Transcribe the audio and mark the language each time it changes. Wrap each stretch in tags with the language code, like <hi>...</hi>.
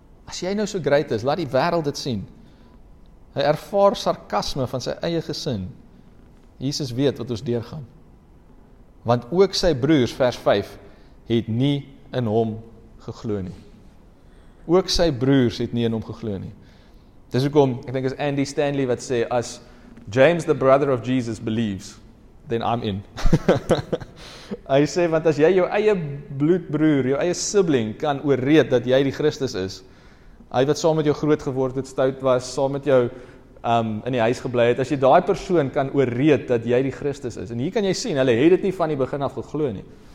<af>As jy nou so great is, laat die wereld dit sien. Hy ervaar sarkasme van sy eie gesin. Jesus weet wat ons deurgaan. Want ook sy broers, vers 5, het nie in hom geglo nie. Ook sy broers het nie in hom geglo nie. Dis hoekom, ek dink is Andy Stanley wat sê, as</af> <en>James the brother of Jesus believes, then I'm in.</en> <af>Hy sê, want as jy jou eie bloedbroer, jou eie sibling kan ooreed dat jy die Christus is, hy wat saam met jou groot geword het, stout was, saam met jou in die huis geblei het, as jy daai persoon kan ooreed dat jy die Christus is, en hier kan jy sien, hulle het dit nie van die begin af geglo nie.</af>